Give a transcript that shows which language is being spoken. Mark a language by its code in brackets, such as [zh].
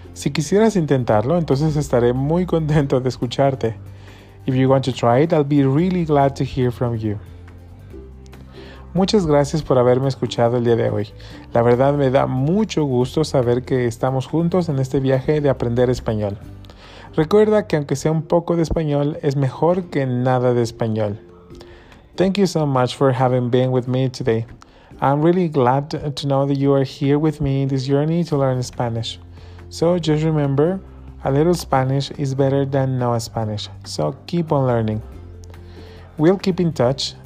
[es] Si quisieras intentarlo, entonces estaré muy contento de escucharte. [en] If you want to try it, I'll be really glad to hear from you. [es] Muchas gracias por haberme escuchado el día de hoy. La verdad me da mucho gusto saber que estamos juntos en este viaje de aprender español. Recuerda que aunque sea un poco de español, es mejor que nada de español. [en] Thank you so much for having been with me today. I'm really glad to know that you are here with me in this journey to learn Spanish. So just remember, a little Spanish is better than no Spanish. So keep on learning. We'll keep in touch.